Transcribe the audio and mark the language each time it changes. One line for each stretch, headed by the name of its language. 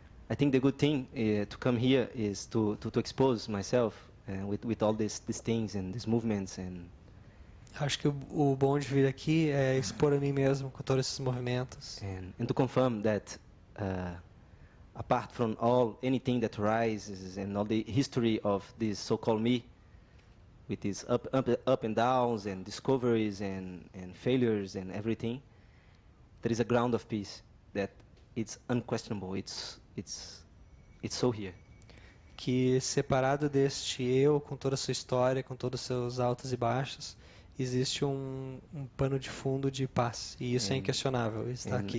English: I think the good thing to come here is to expose myself with all these things and these movements and.
Portuguese: Acho que o bom de vir aqui é expor a mim mesmo com todos esses movimentos.
English: And to confirm that apart from all anything that arises and all the history of this so-called me, with its up and downs and discoveries and failures and everything, there is a ground of peace that it's unquestionable. It's so here.
Portuguese: Que separado deste eu, com toda a sua história, com todos os seus altos e baixos, existe um pano de fundo de paz e isso é inquestionável, está aqui.